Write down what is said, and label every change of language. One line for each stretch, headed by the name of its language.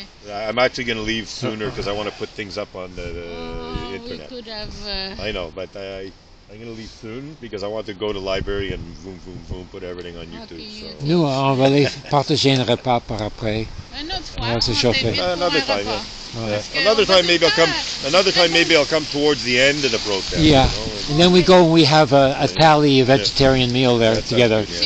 English: I'm actually going to leave sooner because I want to put things up on the internet. We could have, I know, but I'm going to leave soon because I want to go to the library and boom, boom, boom, put everything on YouTube.
French: Nous, on va aller partager un repas par après.
English: Another time, yeah. Another time, maybe I'll come. Another time, maybe I'll come towards the end of the program. Yeah, you know? And then we go and we have a tally, a vegetarian meal there together.